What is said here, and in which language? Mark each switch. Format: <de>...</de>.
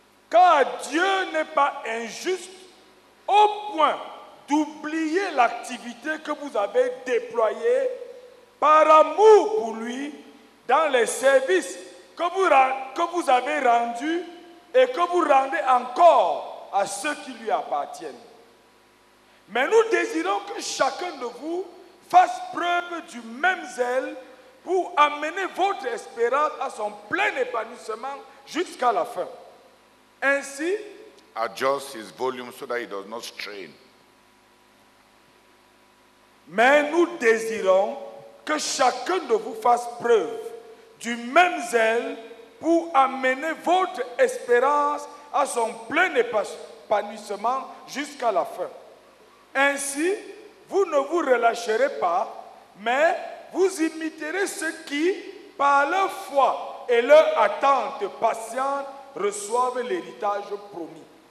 <fr>Car Dieu n'est pas injuste au point d'oublier l'activité que vous avez déployée par amour pour lui dans les services que vous avez rendus et que vous rendez encore à ceux qui lui appartiennent. Mais nous désirons que chacun de vous fasse preuve du même zèle pour amener votre espérance à son plein épanouissement jusqu'à la fin. Ainsi,</fr> <en>adjust his volume so that he does not strain.</en> <fr>Mais nous désirons que chacun de vous fasse preuve du même zèle pour amener votre espérance à son plein épanouissement jusqu'à la fin. Ainsi, vous ne vous relâcherez pas, mais vous imiterez ceux qui, par leur foi et leur attente patiente, reçoivent l'héritage promis.</fr>